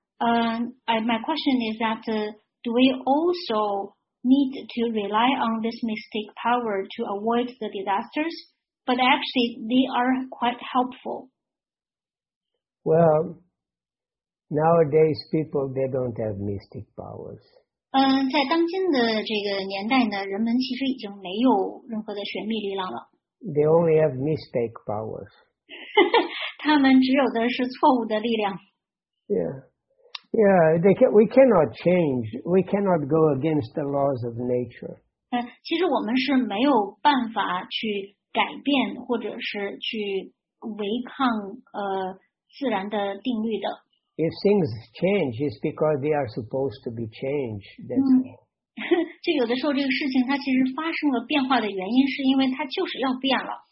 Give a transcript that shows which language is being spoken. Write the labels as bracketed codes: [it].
[en] My question is that do we also... need to rely on this mystic power to avoid the disasters, but actually they are quite helpful. Well, nowadays people, they don't have mystic powers. [zh] 在当今的这个年代呢，人们其实已经没有任何的玄秘力量了。 [en] They only have mystic powers. [zh] 他们只有的是错误的力量。 [en] Yeah, we cannot go against the laws of nature. [zh] 其实我们是没有办法去改变或者是去违抗自然的定律的。 [en] If things change, it's because they are supposed to be changed. That's all. [zh] 就有的时候这个事情它其实发生了变化的原因是因为它就是要变了。